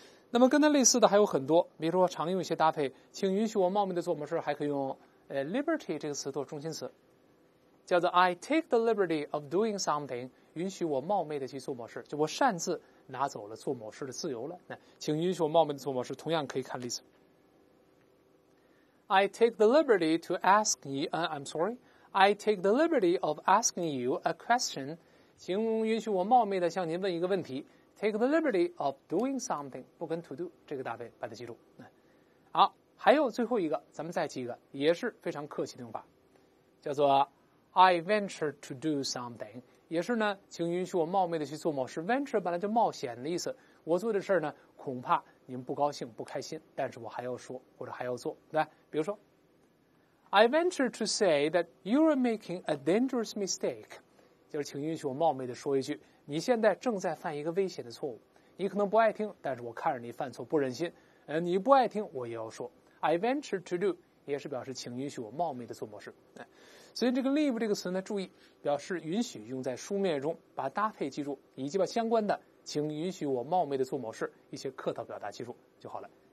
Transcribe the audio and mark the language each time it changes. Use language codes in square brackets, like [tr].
[zh] 那么跟它类似的还有很多，比如说常用一些搭配，请允许我冒昧的做某事，还可以用liberty 这个词做中心词，叫做 [en] I take the liberty of doing something， [zh] 允许我冒昧的去做某事，就我擅自拿走了做某事的自由了。那请允许我冒昧的做某事，同样可以看例子。 [en] I take the liberty to ask ye, I'm sorry， I take the liberty of asking you a question. [zh] 请允许我冒昧地向您问一个问题。 [en] Take the liberty of doing something. [zh] 不跟 [en] to do [zh] 这个搭配，把它记住。好，还有最后一个，咱们再记一个，也是非常客气的用法，叫做 [en] I venture to do something. [zh] 也是呢，请允许我冒昧地去做某事。Venture 本来就冒险的意思。我做的事呢，恐怕您不高兴、不开心，但是我还要说或者还要做，对吧？比如说。 [en] I venture to say that you are making a dangerous mistake. [zh] 就是请允许我冒昧地说一句，你现在正在犯一个危险的错误。你可能不爱听，但是我看着你犯错不忍心。你不爱听，我也要说。 [en] I venture to do [zh] 也是表示请允许我冒昧地做某事。所以这个 leave 这个词呢，注意表示允许用在书面中，把搭配记住，以及把相关的请允许我冒昧地做某事一些客套表达记住就好了。